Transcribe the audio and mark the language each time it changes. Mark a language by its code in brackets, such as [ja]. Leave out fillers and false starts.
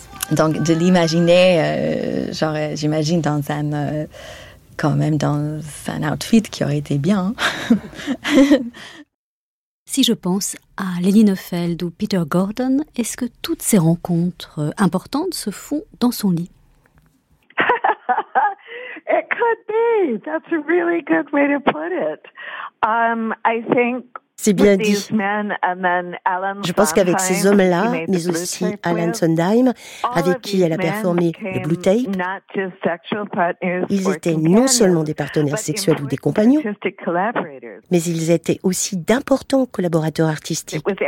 [fr] Donc, de l'imaginer, genre, j'imagine dans un... quand même dans un outfit qui aurait été bien. Si je pense à Leni Neufeld ou Peter Gordon, est-ce que toutes ces rencontres importantes se font dans son lit? [en] It could be. That's a really good way to put it. I think [fr] c'est bien dit. Je pense qu'avec ces hommes-là, mais aussi Alan Sondheim, avec qui elle a performé le Blue Tape, ils étaient non seulement des partenaires sexuels ou des compagnons, mais ils étaient aussi d'importants collaborateurs artistiques.